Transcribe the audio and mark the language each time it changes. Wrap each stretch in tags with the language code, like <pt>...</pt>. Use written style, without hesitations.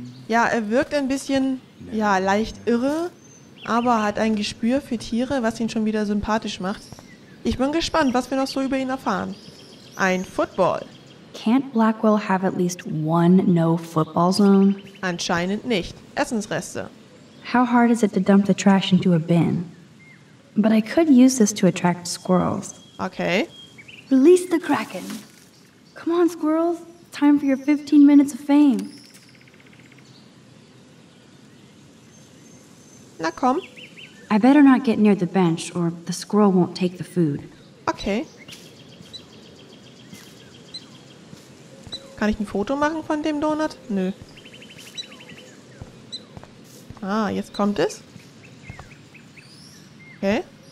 <de>Ja, wirkt ein bisschen, ja, leicht irre, aber hat ein Gespür für Tiere, was ihn schon wieder sympathisch macht. Ich bin gespannt, was wir noch so über ihn erfahren. Ein Football.</de> <en>Can't Blackwell have at least one no football zone?</en> <de>Anscheinend nicht. Essensreste.</de> <en>How hard is it to dump the trash into a bin? But I could use this to attract squirrels. Okay. Release the Kraken. Come on, squirrels. Time for your 15 minutes of fame.</en> <de>Na komm.</de> <en>I better not get near the bench or the squirrel won't take the food. Okay.</en> <de>Kann ich ein Foto machen von dem Donut? Nö. Ah, jetzt kommt es. Okay.</de>